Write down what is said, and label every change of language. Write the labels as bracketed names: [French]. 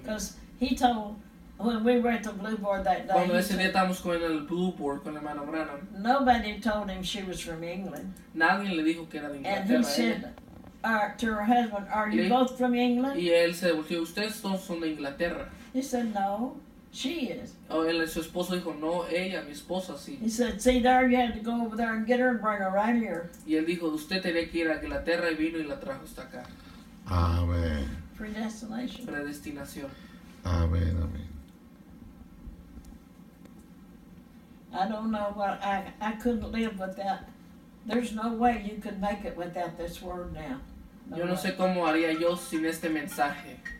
[English] Because he told, when we were at the blue board that day. [Spanish] Cuando ese día estábamos con el blue board con la mano Branham. [English] Nobody told him she was from England. [Spanish] Nadie le dijo que era de Inglaterra. [English] And he said to her husband, are you both from England? [Spanish] Y él se devolvió, ustedes todos son de Inglaterra. [English] He said, no, she is. [Spanish] Oh, su esposo dijo, no, ella, mi esposa, sí. [English] He said, see there, you had to go over there and get her and bring her right here. [Spanish] Y él dijo, usted tenía que ir a Inglaterra y vino y la trajo hasta acá. Amén. [English] Predestination. [Spanish] Predestinación. Amén, amén. [English] I don't know, but I couldn't live without, there's no way you could make it without this word now. [Spanish] No yo [English] no way. [Spanish] Sé cómo haría yo sin este mensaje.